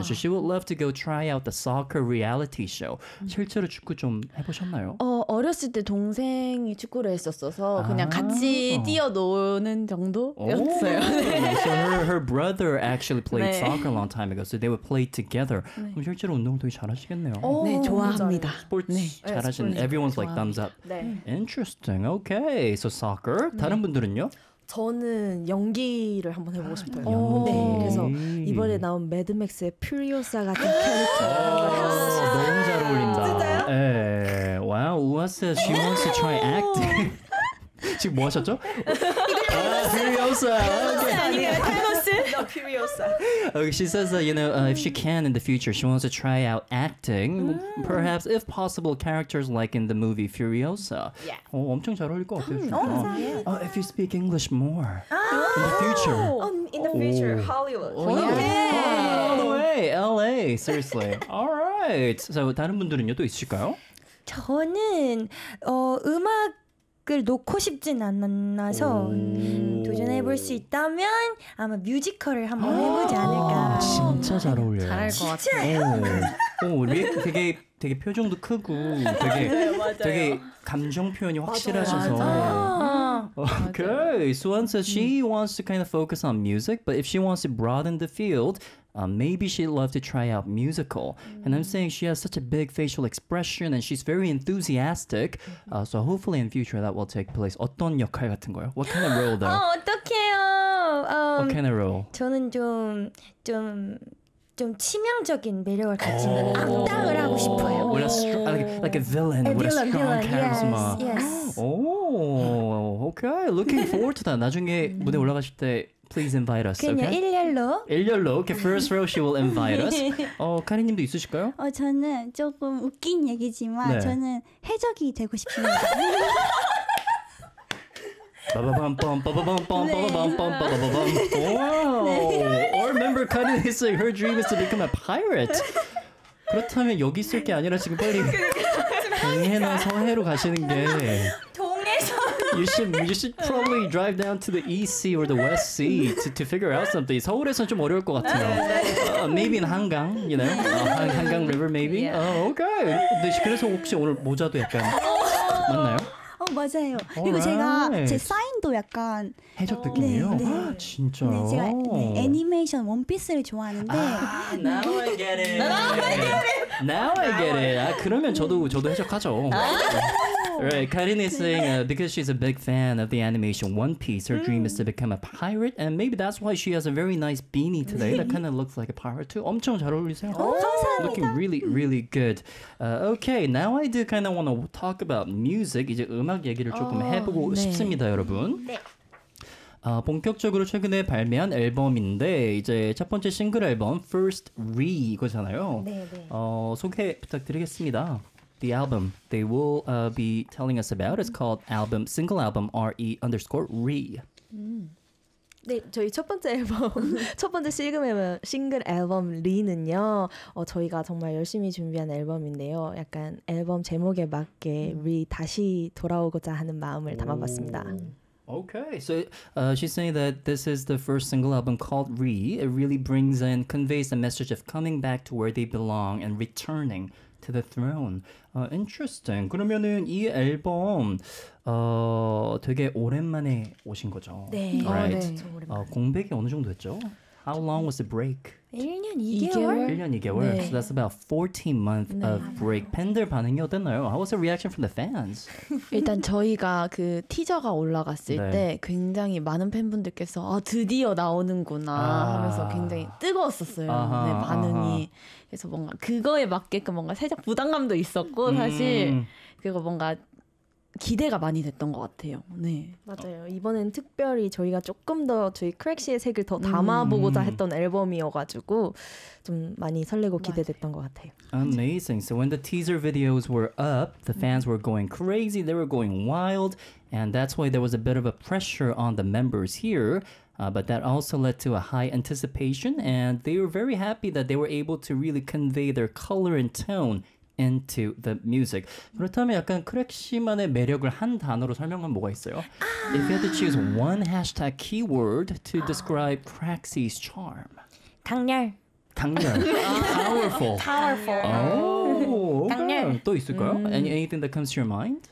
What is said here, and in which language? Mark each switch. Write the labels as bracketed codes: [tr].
[en] So she would love to go try out the soccer reality show. [ko] 실제로 축구 좀 해보셨나요? 어렸을 때 동생이 축구를 했었어서 그냥 같이 뛰어노는 정도였어요. [en] 네. So her brother actually played 네. soccer a long time ago. So they would play together. [ko] 네. 그럼 실제로 운동을 되게 잘하시겠네요. 네, 좋아합니다. 스포츠 네. 잘하시는 [en] 네, everyone's [ko] 좋아합니다. [en] like thumbs up. [ko] 네. [en] Interesting. Okay. So soccer. [ko] 다른 네. 분들은요? 저는 연기를 한번 해보고 싶어요. 연기. 네. 그래서 이번에 나온 매드맥스의 퓨리오사 같은 캐릭터. 너무 잘 어울린다. [en] 와우, 우아 says she wants to try acting. [ko] 지금 뭐 하셨죠? 퓨리오사. 퓨리오사. [en] She says that, you know, if she can in the future, she wants to try out acting. Perhaps, if possible, characters like in the movie Furiosa. Yeah. [ko] 엄청 잘 어울릴 것 같아요. 감사합니다. [en] If you speak English more. In the future. Hollywood. Oh, yeah. All the way, LA, seriously. All right. [ko] So, 다른 분들은요, 또 있으실까요? 저는 음악을 놓고 싶진 않아서 도전해볼 수 있다면 아마 뮤지컬을 한번 해보지 않을까. 진짜 잘 어울려요. 잘할 것 같아요. 진짜요? 되게 표정도 크고 되게, 네, 되게 감정 표현이 확실하셔서. 맞아. [en] Okay, Suan says she wants to kind of focus on music, but if she wants to broaden the field, maybe she'd love to try out musical. And I'm saying she has such a big facial expression and she's very enthusiastic. So hopefully in future that will take place. [ko] 어떤 역할 같은 거예요? [en] What kind of role though? [ko] 어떡해요. [en] What kind of role? [ko] 저는 좀 치명적인 매력을 갖춘 악당을 하고 싶어요. [en] Like a villain with a strong charisma. Yes. Oh. 오케이. Looking forward to that. [ko] 나중에 무대 올라가실 때 [en] please invite us. [ko] 그냥 [en] okay? [ko] 일렬로. 일렬로. [en] Okay, first row she will invite us. [ko] 어, 카리님도 있으실까요? 어, 저는 조금 웃긴 얘기지만 네. 저는 해적이 되고 싶습니다. 빠바밤빰빠바밤빰빠바밤빰빠바밤. [en] Our member Kani is like her dream is to become a pirate. [ko] 그렇다면 여기 있을 게 아니라 지금 빨리 동해나 서해로 가시는 게 동해서 [en] you should probably drive down to the east sea or the west sea to figure out something. [ko] 서울에서는 좀 어려울 것 같아요. [en] Maybe in 한강, you know? 한강 river maybe? Okay. [ko] 그래서 혹시 오늘 모자도 약간 맞나요? 어 맞아요. [en] Alright. [ko] 그리고 제가 제 사인도 약간 해적 느낌이에요. 네, 네. 진짜. 네, 제가 네, 애니메이션 원피스를 좋아하는데. [en] 아, now I get it. Now I get it. Now I get it. [ko] 아 그러면 저도 해적하죠. [en] Right, Karin is saying because she's a big fan of the animation One Piece, her dream is to become a pirate, and maybe that's why she has a very nice beanie today that kind of looks like a pirate too. [ko] 엄청 잘 어울리세요. Oh, 감사합니다. [en] Looking really, really good. Okay, now I do kind of want to talk about music. [ko] 이제 음악 얘기를 조금 해보고 네. 싶습니다, 여러분. 네. 본격적으로 최근에 발매한 앨범인데 이제 첫 번째 싱글 앨범 First Re 이거잖아요. 네, 네. 소개 부탁드리겠습니다. [en] The album they will be telling us about is called album single album RE_RE. [ko] 네, 저희 첫 번째 앨범 첫 번째 싱글 앨범 리는요. 저희가 정말 열심히 준비한 앨범인데요. 약간 앨범 제목에 맞게 리 다시 돌아오고자 하는 마음을 담아봤습니다. [en] Okay, so she's saying that this is the first single album called Re. It really brings in conveys the message of coming back to where they belong and returning. To the throne. Interesting. [ko] 그러면은 이 앨범 되게 오랜만에 오신 거죠? 네. [en] Right. [ko] 네. 공백이 어느 정도 됐죠? [en] How long was the break? [ko] 1년 2개월. 1년 2개월. [en] 네. So that's about 14 months 네. of break. [ko] 팬들 반응이 어땠나요? [en] How was the reaction from the fans? [ko] 일단 저희가 그 티저가 올라갔을 네. 때 굉장히 많은 팬분들께서 아 드디어 나오는구나 하면서 굉장히 뜨거웠었어요. 아하, 네, 반응이. 아하. 그래서 뭔가 그거에 맞게끔 뭔가 살짝 부담감도 있었고 사실 그리고 뭔가 기대가 많이 됐던 것 같아요. 네. 맞아요. 이번엔 특별히 저희가 조금 더 저희 크랙시의 색을 더 담아보고자 했던 앨범이어가지고 좀 많이 설레고 기대됐던 맞아요. 것 같아요. [en] Amazing. So when the teaser videos were up, the fans were going crazy. They were going wild. And that's why there was a bit of a pressure on the members here. But that also led to a high anticipation. And they were very happy that they were able to really convey their color and tone into the music. [ko] 그렇다면 약간 크랙시만의 매력을 한 단어로 설명하면 뭐가 있어요? 아~ [en] If you had to choose one hashtag keyword to describe Craxy's charm. [ko] 강렬. 강렬. [en] Powerful. Powerful. Oh, okay. [ko] 강렬. 또 있을까요? [en] Anything that comes to your mind?